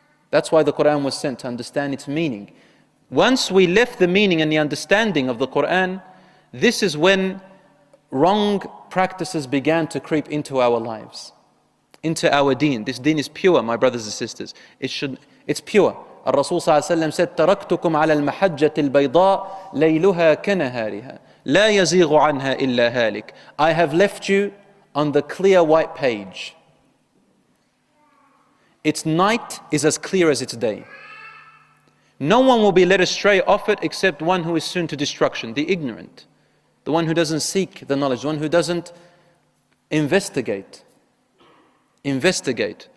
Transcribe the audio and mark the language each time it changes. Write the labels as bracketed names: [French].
[English] That's why the Qur'an was sent, to understand its meaning. Once we left the meaning and the understanding of the Qur'an, this is when wrong practices began to creep into our lives, into our deen. This deen is pure, my brothers and sisters. It's pure. Rasul sallallahu alayhi wa sallam said, [Arabic] تَرَكْتُكُمْ عَلَى الْمَحَجَّةِ الْبَيْضَىٰ لَيْلُهَا كَنَهَارِهَا لَا يَزِيغُ عَنْهَا إِلَّا هَالِكَ. [English] I have left you on the clear white page. Its night is as clear as its day. No one will be led astray off it except one who is soon to destruction, the ignorant, the one who doesn't seek the knowledge, the one who doesn't investigate. Investigate.